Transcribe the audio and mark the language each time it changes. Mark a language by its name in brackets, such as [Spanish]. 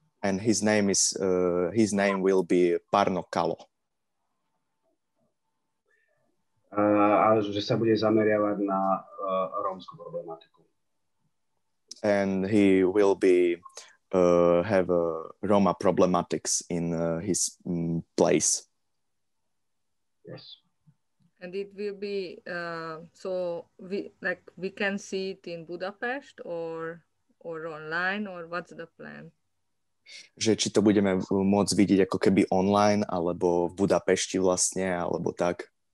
[English] And his name will be Párno Kalo. [Slovak] A že sa bude zameriavať na rómsku problematiku. [English] And he will be. Have Roma problematics in his place. Yes. And it will be we can see it in Budapest or online, or what's the plan? [Slovak] Že či to budeme môcť vidieť ako keby online alebo v Budapešti vlastne alebo tak.